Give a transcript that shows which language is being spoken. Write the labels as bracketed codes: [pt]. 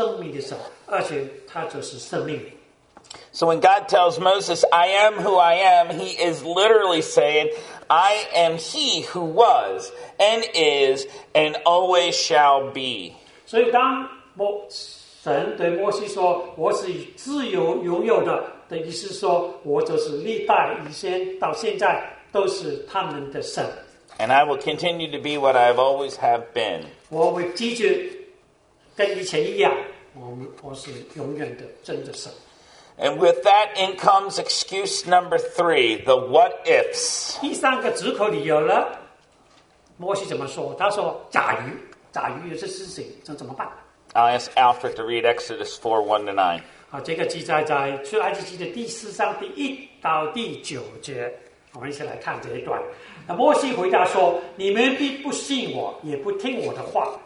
[zh] 很多人误会说,上帝在高天在上,他只是忘记他的子民,所以有时候他们的祷告他们不听,或者上帝把眼睛闭上来没有,看他们,但是不要忘记,神是赐生命的神,而且他就是生命。 [en] So when God tells Moses, I am who I am, he is literally saying, I am he who was and is and always shall be. [zh] 所以当神对摩西说,我是自由拥有的,等于是说,我就是历代以先到现在都是他们的神。 [en] And I will continue to be what I have always have been. [zh] 我会继续跟以前一样，我是永远的真的神。 [en] And with that in comes excuse number three, the what ifs. [zh] 第三个借口理由了，摩西怎么说？他说：“假如，假如有这事情，这怎么办？” [en] I ask Alfred to read Exodus 4:1-9. [zh] 好，这个记载在出埃及记的第四章第一到第九节。我们一起来看这一段。那摩西回答说：“你们必不信我，也不听我的话。